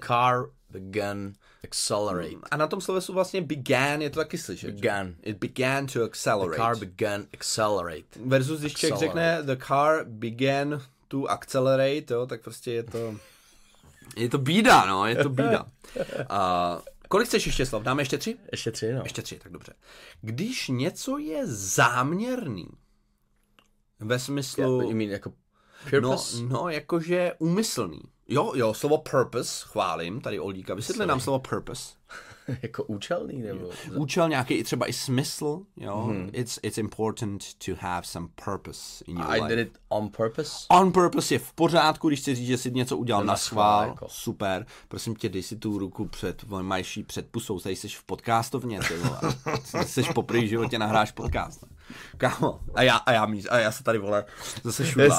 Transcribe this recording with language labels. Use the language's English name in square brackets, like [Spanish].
[English] The car began accelerate. [Czech] A na tom slovesu vlastně began, je to taky slyšet. [English] Began. It began to accelerate. The car began accelerate. [Czech] Versus když accelerate. Člověk řekne [English] the car began to accelerate, [Czech] jo, tak prostě je to... Je to bída, no, je to bída. Kolik chceš ještě slov? Dáme ještě tři? Ještě tři, no. Ještě tři, tak dobře. Když něco je záměrný, ve smyslu... [English] Yeah, you mean [Czech] jako [English] purpose? [Czech] No, jakože úmyslný. Jo, jo, slovo purpose, chválím, tady Oldíka. Vysvětli nám slovo purpose. Jako účelný, nebo... Účel nějaký, třeba i smysl, jo. Hmm. [English] It's important to have some purpose in your life. I did it on purpose? [Czech] On purpose je v pořádku, když chci říct, že jsi něco udělal na schvál. Jako. Super. Prosím tě, dej si tu ruku před, majší před pusou, tady jsi v podcastovně, tyvo. Jsi poprvé v životě nahráš podcast. Kámo, a já se tady, vole, zase šulám.